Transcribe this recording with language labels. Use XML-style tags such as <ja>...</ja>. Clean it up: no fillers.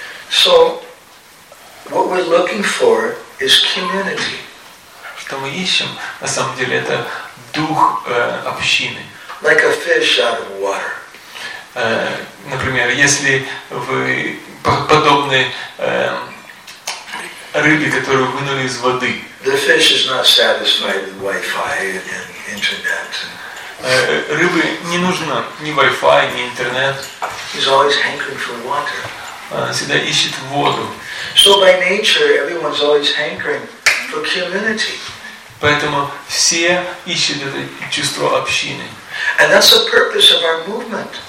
<en>So, what we're looking for is community.</en> <ru>Что мы ищем, на самом деле, это дух общины.</ru> <en>Like a fish out of water.</en> <ru>Например, если вы подобны рыбе, которую вынули из воды.</ru> <en>The fish is not satisfied with Wi-Fi and internet.</en> <ru>Рыбе не нужно ни Wi-Fi, ни интернет.</ru> <en>He's always hankering for water.</en> <ru>Она всегда ищет воду.</ru> <en>So by nature, everyone's always hankering for community.</en> <ru>Поэтому все ищут это чувство общины.</ru> <en>And that's the purpose of our movement.</en>